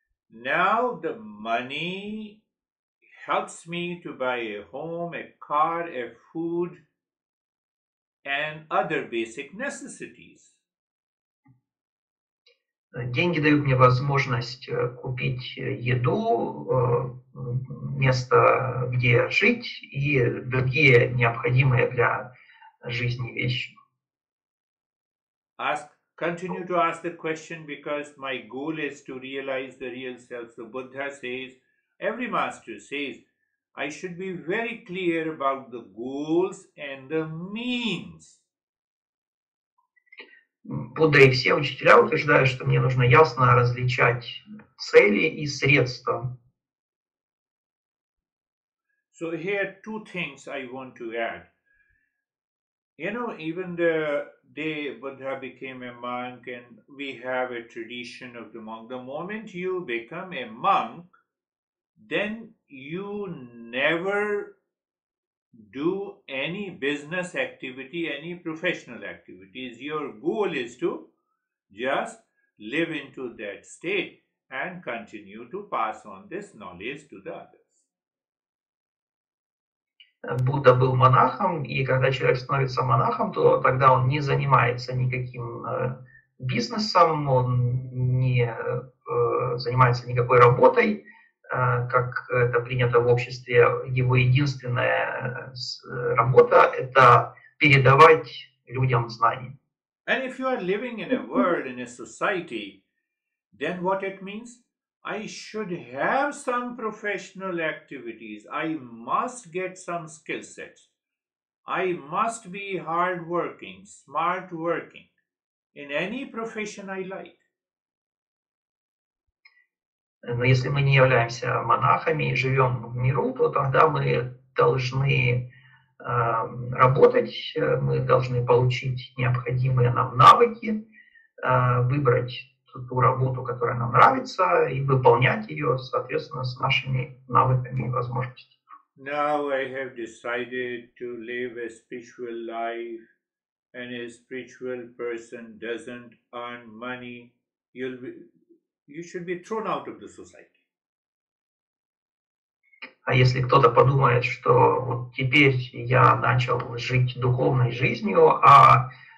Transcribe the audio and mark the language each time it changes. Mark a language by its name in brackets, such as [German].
[English] Now the money helps me to buy a home, a car, a food, and other basic necessities. [Russian] Деньги дают мне возможность купить еду, место, где жить, и другие необходимые для жизни вещи. [English] Continue to ask the question because my goal is to realize the real self. So Buddha says, every master says, I should be very clear about the goals and the means. [Russian] Будда и все учителя утверждают, что мне нужно ясно различать цели и средства. [English] So here are two things I want to add. You know, even the day Buddha became a monk, and we have a tradition of the monk. The moment you become a monk, then you never do any business activity, any professional activities. Your goal is to just live into that state and continue to pass on this knowledge to the others. [Russian] Будда был монахом, и когда человек становится монахом, то тогда он не занимается никаким бизнесом, он не занимается никакой работой, как это принято в обществе. Его единственная работа – это передавать людям знания. [English] And if you are living in a world, in a society, then what it means? I should have some professional activities. I must get some skill sets. I must be hard working, smart working in any profession I like. [Russian] Но если мы не являемся монахами и живем в миру, то тогда мы должны работать, мы должны получить необходимые нам навыки, выбрать ту работу, которая нам нравится, и выполнять ее, соответственно, с нашими навыками и возможностями. [English] Now I have decided to live a spiritual life, and a spiritual person doesn't earn money, you should be thrown out of the society. [Russian] А если кто-то подумает, что вот теперь я начал жить духовной жизнью, а